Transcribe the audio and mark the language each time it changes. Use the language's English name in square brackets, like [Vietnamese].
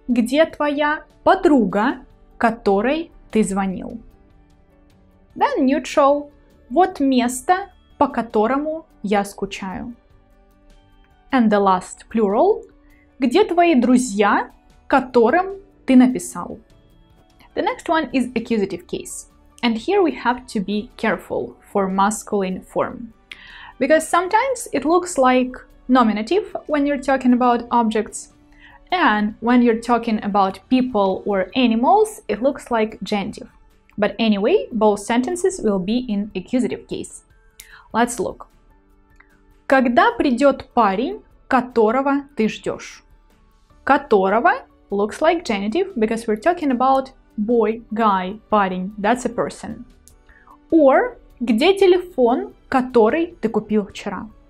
[Russian] Где твоя подруга, которой ты звонил? [English] Then neutral. [Russian] Вот место, по которому я скучаю. [English] And the last plural. [Russian] Где твои друзья, которым ты написал? [English] The next one is accusative case. And here we have to be careful for masculine form. Because sometimes it looks like nominative when you're talking about objects. And when you're talking about people or animals, it looks like genitive. But anyway, both sentences will be in accusative case. Let's look. [Russian] Когда придет парень, которого ты ждешь? [English] Которого looks like genitive because we're talking about boy, guy, парень. That's a person. [Russian] Or, где телефон, который ты купил вчера?